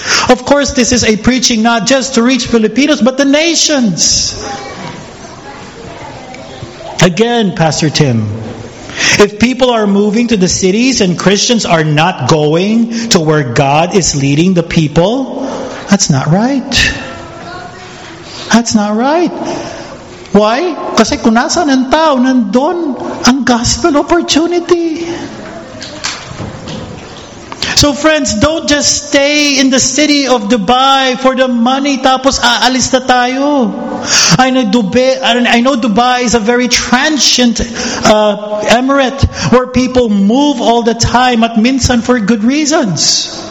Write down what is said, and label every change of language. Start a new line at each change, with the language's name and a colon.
English: Of course, this is a preaching not just to reach Filipinos, but the nations. Again, Pastor Tim, if people are moving to the cities and Christians are not going to where God is leading the people, that's not right. That's not right. Why?
Filipino: Kasi kung nasaan ang tao, nandun ang gospel opportunity.
English: So friends, don't just stay in the city of Dubai for the money,
Filipino: tapos aalis na tayo.
English: I know Dubai is a very transient emirate where people move all the time
Filipino: at minsan
English: for good reasons.